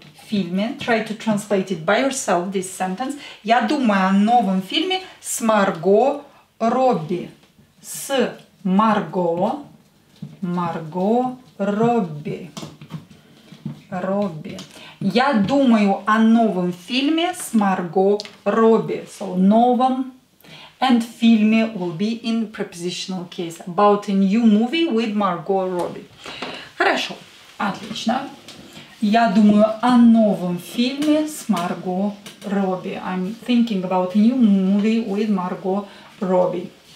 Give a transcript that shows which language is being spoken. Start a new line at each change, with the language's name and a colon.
English: Try to translate it by yourself, this sentence.
Russian: Я думаю о новом фильме с Марго Робби. С Марго Робби. Робби. Я думаю о новом фильме с Марго Робби.
English: So, новом. And фильме will be in prepositional case. About a new movie with Margot Robbie.
Russian: Хорошо. Отлично. Я думаю о новом фильме с Марго Робби.
English: I'm thinking about a new movie with Margot Robbie.